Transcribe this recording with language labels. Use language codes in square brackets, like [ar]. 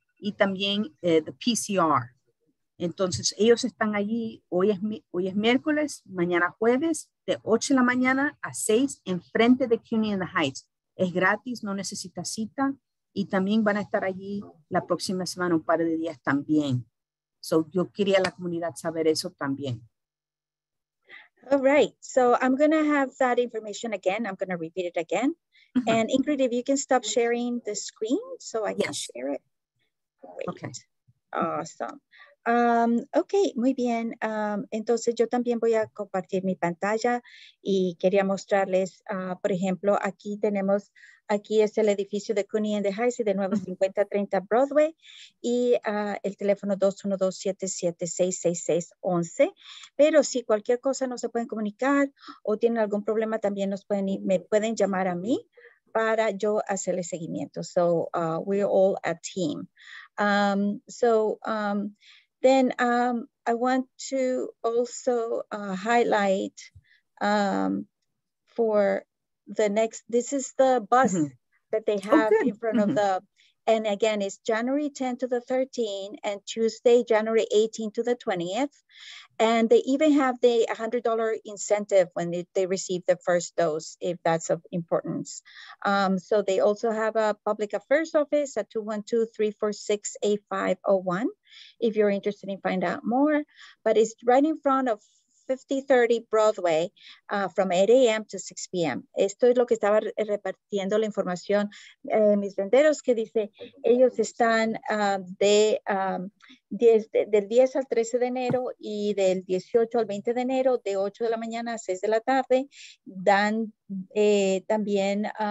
[es] Y también the PCR. Entonces, ellos están allí, hoy es miércoles, mañana jueves, de 8 de la mañana a 6, enfrente de CUNY in the Heights. Es gratis, no necesita cita, y también van a estar allí la próxima semana, un par de días también. So, yo quería a la comunidad saber eso también. [en] All right, so I'm going to have that information again. I'm going to repeat it again. And Ingrid, if you can stop sharing the screen so I can share it. Great. Okay. [es] Awesome. Okay, muy bien. Entonces yo también voy a compartir mi pantalla y quería mostrarles, por ejemplo, aquí es el edificio de CUNY in the Heights y de nuevo 5030 Broadway y el teléfono 212-776-6611. Pero si cualquier cosa no se pueden comunicar o tienen algún problema, también me pueden llamar a mí para yo hacerle seguimiento. [en] So we're all a team. So I want to also highlight for the next, this is the bus that they have in front of and again, it's January 10 to the 13th and Tuesday, January 18 to the 20th. And they even have the $100 incentive when they receive the first dose, if that's of importance. So they also have a public affairs office at 212-346-8501 if you're interested in finding out more. But it's right in front of 5030 Broadway from 8 a.m. to 6 p.m. [es] Esto es lo que estaba repartiendo la información mis venderos, que dice ellos están del 10 al 13 de enero y del 18 al 20 de enero de 8 de la mañana a 6 de la tarde dan también